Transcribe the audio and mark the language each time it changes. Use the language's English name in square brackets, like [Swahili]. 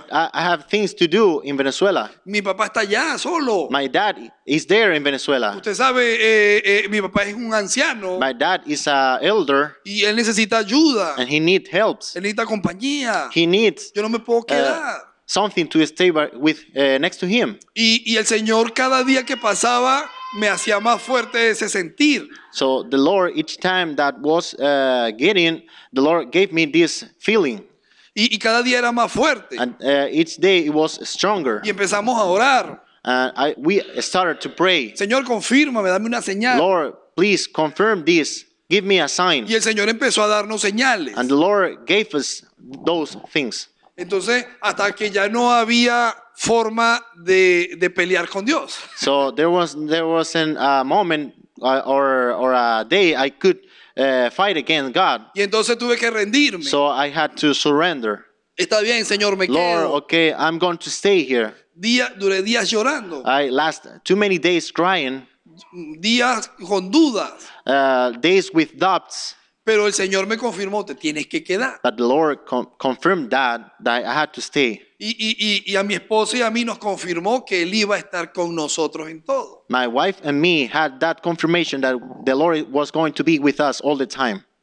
[English] I have things to do in Venezuela. [Spanish] Mi papá está allá solo. [English] My dad is there in Venezuela. [Spanish] Usted sabe, mi papá es un anciano. [English] My dad is a elder. [Spanish] Y él necesita ayuda. [English] And he needs help. [Spanish] Él necesita compañía. [English] He needs. [Spanish] Yo no me puedo quedar. [English] Something to stay with next to him. [Spanish] Y el Señor cada día que pasaba me hacía más fuerte ese sentir. [English] So the Lord, each time that was getting, the Lord gave me this feeling. [Spanish] Y cada día era más fuerte. [English] And each day it was stronger. [Spanish] Y empezamos a orar. [English] We started to pray. [Spanish] Señor, confírmame, dame una señal. [English] Lord, please confirm this. Give me a sign. [Spanish] Y el Señor empezó a darnos señales. [English] And the Lord gave us those things. [Spanish] Entonces, hasta que ya no había forma de pelear con Dios. [English] So there was a moment or a day I could fight against God. [Spanish] Y entonces tuve que rendirme. [English] So I had to surrender. [Spanish] Está bien, Señor, me quedo. [English] Lord, okay, I'm going to stay here. [Spanish] Duré días llorando. [English] I last too many days crying. [Spanish] Días con dudas. [English] Days with doubts. [Spanish] Pero el Señor me confirmó, te tienes que quedar. [English] But the Lord confirmed that I had to stay. [Spanish] Y a mi esposa y a mí nos confirmó que Él iba a estar con nosotros en todo. [English] My wife and me had that confirmation that the Lord was going to be with us all the time.